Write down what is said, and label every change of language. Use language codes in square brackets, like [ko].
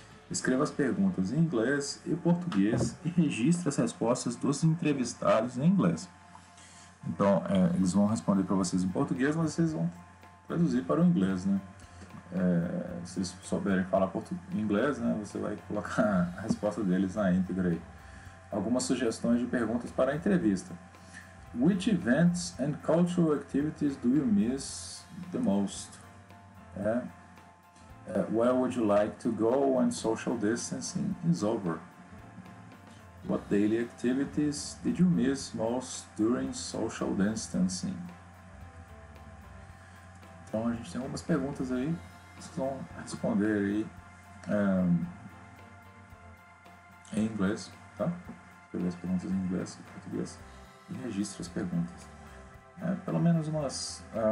[pt] Escreva as perguntas em inglês e português e registre as respostas dos entrevistados em inglês. Então, eles vão responder para vocês em português, mas vocês vão traduzir para o inglês, né? Se eles souberem falar inglês, né, você vai colocar a resposta deles na íntegra aí. Algumas sugestões de perguntas para a entrevista. [en] Which events and cultural activities do you miss the most? Where would you like to go when social distancing is over? What daily activities did you miss most during social distancing? [pt] Então a gente tem algumas perguntas aí que vocês vão responder aí em inglês, tá? Escrever as perguntas em inglês e português e registre as perguntas. Pelo menos umas